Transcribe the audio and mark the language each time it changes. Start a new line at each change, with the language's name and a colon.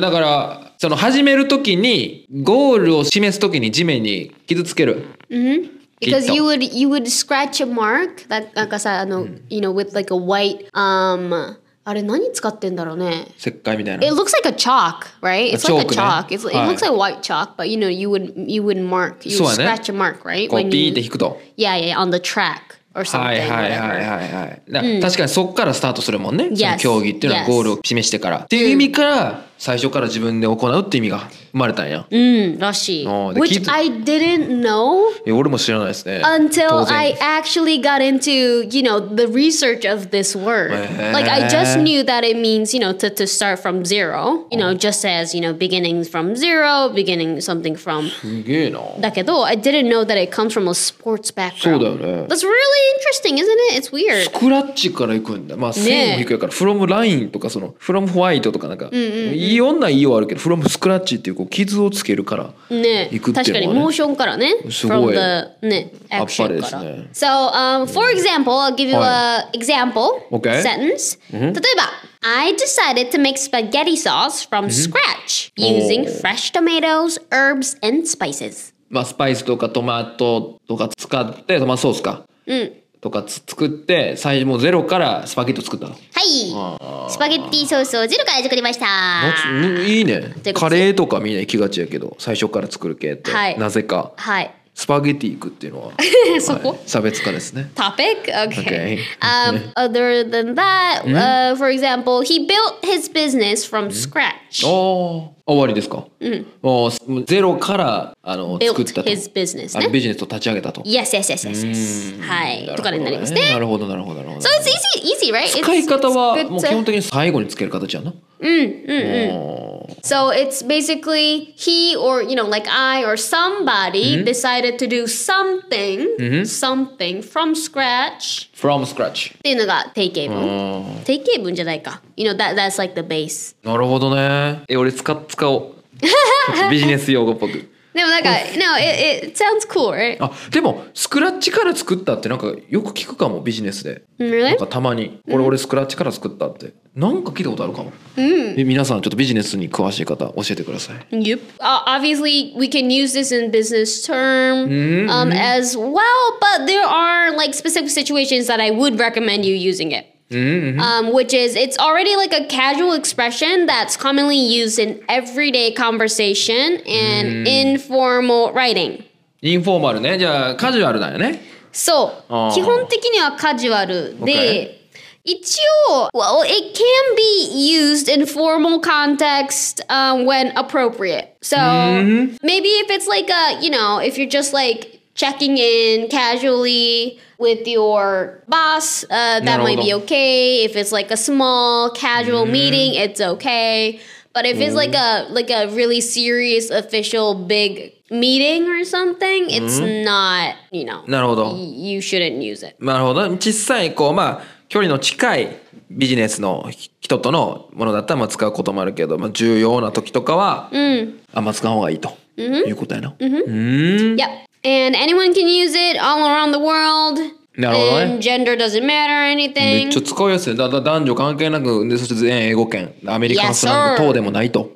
Japanese: だから、その始めるときに、ゴールを示すときに地面に傷つける。
English: Because you would scratch a mark that, like, さ、you know, with like a white,
Japanese: あれ何使ってんだろうね。石灰みたいな。
English: It looks like a chalk, right? It's like a chalk. It looks like white chalk, but you know, you would mark, you would scratch a mark, right?
Japanese: こうピーって引くと。
English: Yeah, on the track or something.
Japanese: はい。確かにそっからスタートするもんね。その競技っていうのはゴールを示してから。っていう意味から、最初から自分で行うって意味が生まれたんや。らしい。
English: Which I didn't know.
Japanese: 俺も知らないですね。
English: Until I actually got into, you know, the research of this word. Like, I just knew that it means, you know, to start from zero. You know, just as, you know, beginnings from zero, beginning something from...
Japanese: すげえな。だけど、
English: I didn't know that it comes from a sports background.
Japanese: そうだよね。
English: That's really interesting, isn't it? It's weird.
Japanese: スクラッチから行くんだ。まあ、線を引くやから、from lineとか、その、from whiteとかなんか。いい女いいよあるけど、from scratch っていうこう傷をつけるから行くっていうのはね。確かにモーションからね。すごい。 from the ね、アクションから。
English: So, for example, I'll give you a example sentence.
Japanese: 例えば、
English: I decided to make spaghetti sauce from scratch using fresh tomatoes, herbs, and spices.
Japanese: まあスパイスとかトマトとか使って、トマトソースか。とか作って最初もうゼロからスパゲッティ作ったの。はい。スパゲッティソースをゼロから作りました。いいね。カレーとかみんな行きがちやけど最初から作る系って、はい、なぜか。はい。スパゲッティ行くっていうのはそこ、はい、差別化ですね。
English: Topic? Okay. other than that, for example, he built his business from scratch.
Japanese: おー。終わりですか。もうゼロから作ったと。
English: Built his business,
Japanese: ね。ビジネスを立ち上げたと。
English: Yes.
Japanese: はい。とかになりますね。なるほど。
English: So it's easy, right?
Japanese: 使い方は基本的に最後につける形やな。
English: So it's basically he or, you know, like I or somebody decided to do something from scratch. From scratch.
Japanese: っていうのが定型文。定型文じゃないか。
English: You know, that's like the base.
Japanese: なるほどね。俺使おう。ビジネス用語っぽく。でもなんか、
English: no, it sounds cool, right?
Japanese: あ、でも、スクラッチから作ったってなんかよく聞くかも、ビジネスで。
English: Really?
Japanese: なんかたまに。俺スクラッチから作ったって。なんか聞いたことあるかも。皆さん、ちょっとビジネスに詳しい方、教えてください。
English: Yep. Obviously, we can use this in business term as well, but there are like specific situations that I would recommend you using it. Which is, it's already like a casual expression that's commonly used in everyday conversation and informal writing.
Japanese: Informal, ne? じゃあ、カジュアルだよね。そう。基本的にはカジュアルで、一応、
English: well, it can be used in formal context, when appropriate. So, maybe if it's like a, you know, if you're just like checking in casually with your boss, that might be okay. If it's like a small casual meeting, it's okay. But if it's like a really serious official big meeting or something, it's not, you know, you shouldn't use it.
Japanese: なるほど。小さいこう、まあ、距離の近いビジネスの人とのものだったら、まあ、使うこともあるけど、まあ、重要な時とかは、あんま使う方がいいと、いうことやな。
English: Yep. And anyone can use it all around the world.
Japanese: なるほどね。
English: And gender doesn't matter or anything.
Japanese: めっちゃ使いやすい。男女関係なく、でそして全英語圏、アメリカンスラング等でもないと。